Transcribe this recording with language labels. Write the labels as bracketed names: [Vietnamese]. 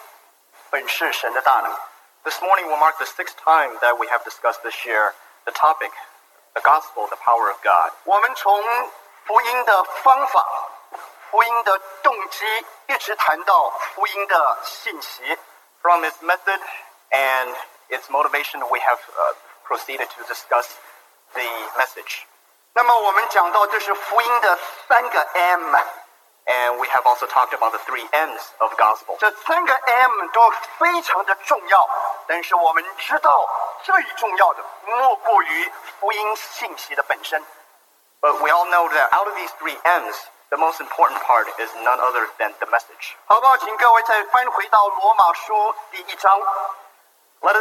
[Chinese] 今天是第六次跟弟兄姊妹一起思想我们今年教会的主题，福音本是神的大能。 [English] This morning will mark the sixth time that we have discussed this year the topic, the gospel, the power of God. [Chinese] 我们从福音的方法、福音的动机，一直谈到福音的信息。 [English] From its method and its motivation, we have proceeded to discuss the message. [Chinese] 那么我们讲到这是福音的三个M, [English] and we have also talked about the three M's of gospel. [Chinese] 这三个M都非常的重要，但是我们知道最重要的莫过于福音信息的本身。 [English] But we all know that out of these three M's, the most important part is none other than the message. [Chinese] 好不好，请各位再翻回到罗马书第一章。 [English] Let